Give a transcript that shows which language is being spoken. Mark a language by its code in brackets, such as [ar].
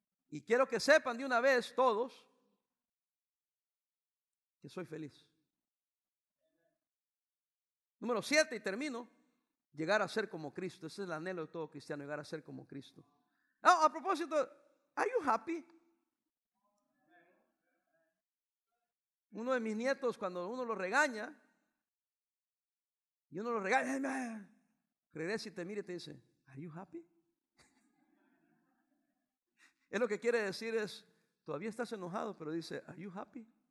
[es] Y quiero que sepan de una vez todos que soy feliz. Número 7, y termino, llegar a ser como Cristo. Ese es el anhelo de todo cristiano, llegar a ser como Cristo. Oh, a propósito, [en] are you happy? [es] Uno de mis nietos, cuando uno lo regaña, y uno lo regaña, regresa y te mira y te dice, [en] are you happy? [es] Él lo que quiere decir es, todavía estás enojado, pero dice, [en] are you happy?